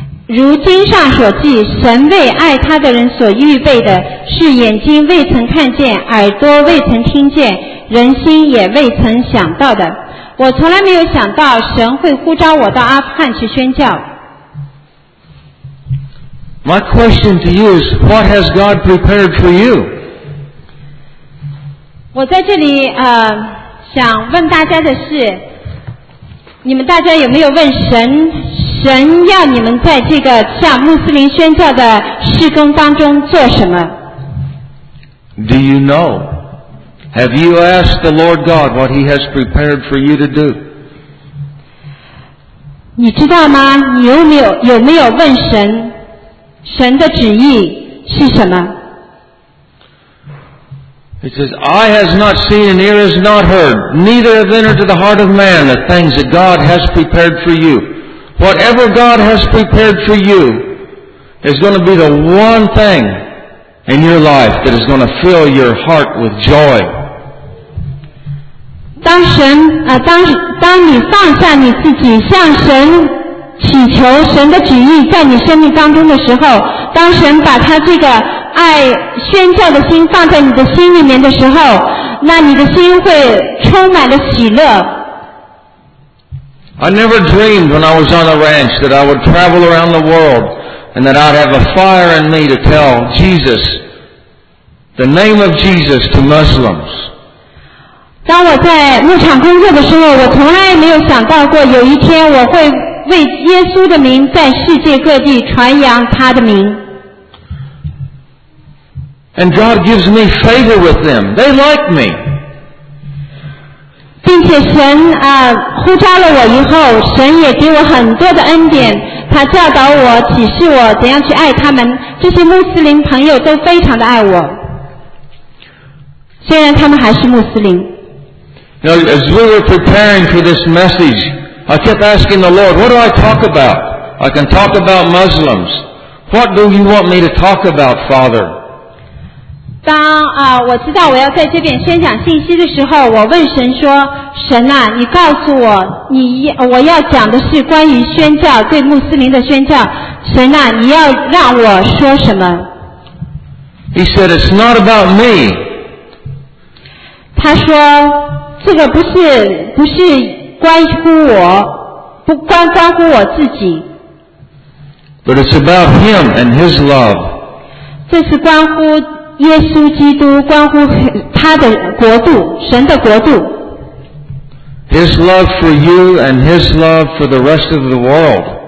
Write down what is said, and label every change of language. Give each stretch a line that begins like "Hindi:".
Chinese: 如经上所记，神为爱他的人所预备的，是眼睛未曾看见，耳朵未曾听见，人心也未曾想到的。我从来没有想到神会呼召我到阿富汗去宣教。
English: My question to you is, what has God prepared for you?
Chinese: 我在这里想问大家的是，你们大家有没有问神神要你们在这个向穆斯林宣教的事工当中做什么？
English: Do you know? Have you asked the Lord God what He has prepared for you to do?
Chinese: 你知道吗？你有没有问神，神的旨意是什么？
English: He says, Eye has not seen and ear has not heard, neither have entered to the heart of man the things that God has prepared for you. Whatever God has prepared for you is going to be the one thing in your life that is going to fill your heart with joy.
Chinese: 当你放下你自己向神祈求神的旨意在你生命当中的时候，当神把他这个爱宣教的心放在你的心里面的时候，那你的心会充满了喜乐。
English: I never dreamed when I was on a ranch that I would travel around the world and that I'd have a fire in me to tell Jesus, the name of Jesus to Muslims.
Chinese: 当我在牧场工作的时候，我从来没有想到过有一天我会为耶稣的名在世界各地传扬他的名。
English: And God gives me favor with them. They like me.
Chinese: 并且神呼召了我以后，神也给我很多的恩典，他教导我，启示我怎样去爱他们。这些穆斯林朋友都非常的爱我，虽然他们还是穆斯林。
English: Now, as we were preparing for this message, I kept asking the Lord, what do I talk about? I can talk about Muslims. What do you want me to talk about, Father?
Chinese: 当我知道我要在这边宣讲信息的时候，我问神说，神啊，你告诉我，我要讲的是关于宣教，对穆斯林的宣教，神啊，你要让我说什么？
English: He said, it's not about me.
Chinese: 他说，这个不是关乎我，不关乎我自己。
English: But it's about him and his love.
Chinese: 这是关乎耶稣基督，关乎他的国度，神的国度。
English: His love for you and His love for the rest of the world.